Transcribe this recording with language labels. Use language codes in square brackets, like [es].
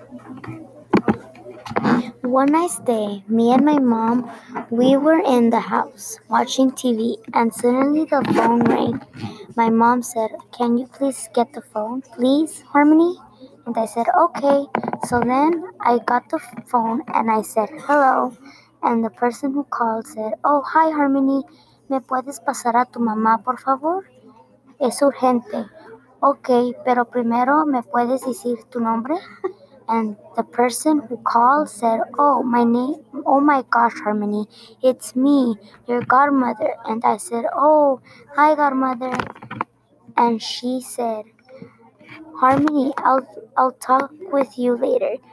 [en] One nice day, me and my mom, we were in the house watching TV, and suddenly the phone rang. My mom said, "Can you please get the phone, please, Harmony?" And I said, "Okay." So then I got the phone, and I said, "Hello." And the person who called said, "Oh, hi, Harmony. [es] ¿Me puedes pasar a tu mamá, por favor? Es urgente." "Okay, pero primero, ¿me puedes decir tu nombre?" [en] And the person who called said, Oh my gosh, Harmony, it's me, your godmother." And I said, "Oh, hi, godmother." And she said, "Harmony, I'll talk with you later.